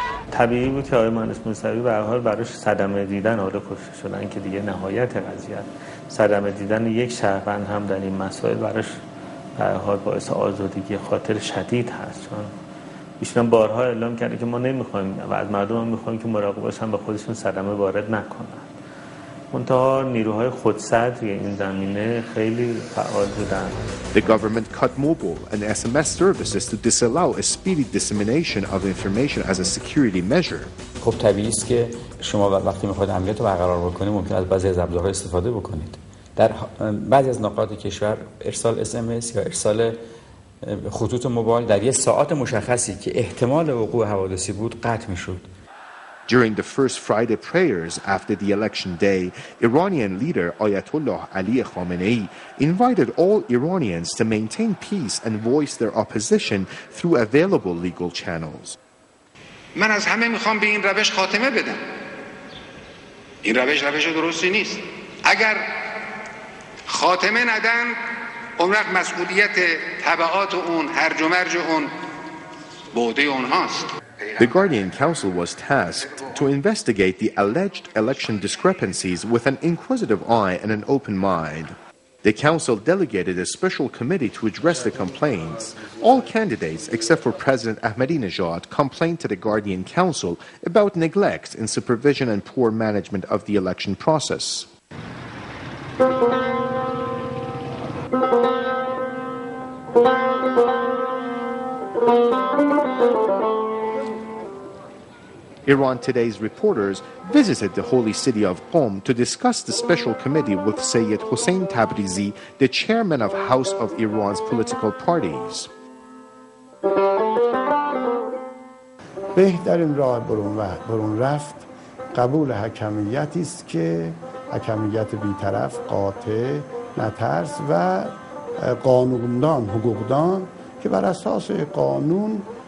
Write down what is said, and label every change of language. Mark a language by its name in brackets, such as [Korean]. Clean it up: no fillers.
[Persian] طبیعی بود که آقای مهندس موسوی به هر حال براش صدمه دیدن آره کشته شدن که دیگه نهایت قضیه، صدمه دیدن یک شهروند هم در این مسائل براش به هر حال باعث آزردگی خاطر شدید هست، چون ایشون بارها اعلام کرده که ما نمیخوایم و از مردم هم میخوایم که مراقبش هم به خودشون صدمه وارد نکنن. منتها نیروهای خودصدر این زمینه خیلی فعال بودن. [English] The government cut mobile and SMS services to disallow a speedy dissemination of information as a security measure. [Persian] خب طبیعی است که شما وقتی میخواید عملیات رو برقرار بکنید ممکن است بعضی از ابزارها استفاده بکنید. در بعضی از نقاط کشور ارسال SMS یا ارسال خطوط موبایل در یک ساعت مشخصی که احتمال وقوع حوادثی بود قطع میشد. [English] During the first Friday prayers after the election day, Iranian leader Ayatollah Ali Khamenei invited all Iranians to maintain peace and voice their opposition through available legal channels. [Persian] من از همه میخوام به این روش خاتمه بدم. این روش روش درستی نیست. اگر خاتمه ندن، عمرق مسئولیت تبعات اون، هرج و مرج اون بوده اونهاست. [English] The Guardian Council was tasked to investigate the alleged election discrepancies with an inquisitive eye and an open mind. The council delegated a special committee to address the complaints. All candidates, except for President Ahmadinejad, complained to the Guardian Council about neglect in supervision and poor management of the election process. Iran Today's reporters visited the holy city of Qom to discuss the special committee with Sayyid Hossein Tabrizi, the chairman of House of Iran's political parties. [Persian] بهترین راه برون رفت قبول حکمیت است که حکمیت بی‌طرف، قاطع، نترس و قانوندان، حقوقدان که بر اساس قانون